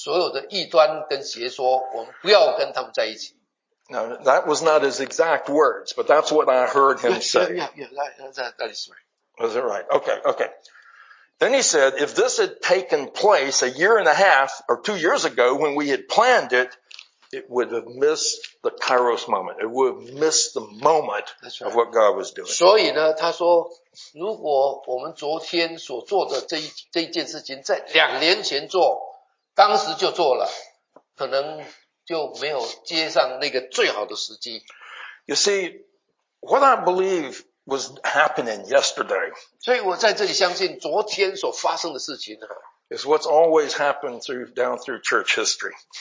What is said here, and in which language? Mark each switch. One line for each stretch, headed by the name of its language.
Chinese: 他说,这个新的宗会的成立,很重要的,就是我们要在一起,我们要弃绝所有的异端跟邪说,我们不要跟他们在一起。
English: Now, that was not his exact words, but that's what I heard him say. Yeah, that is right. Was it right? Okay. Then he said, if this had taken place a year and a half or 2 years ago when we had planned it, it would have missed the Kairos moment. It would have missed the moment of what God was doing.
Chinese: 所以呢,他说,如果我们昨天所做的这一件事情在两年前做,当时就做了,可能
English: You see, what I believe was happening yesterday is what's always happened down through church history.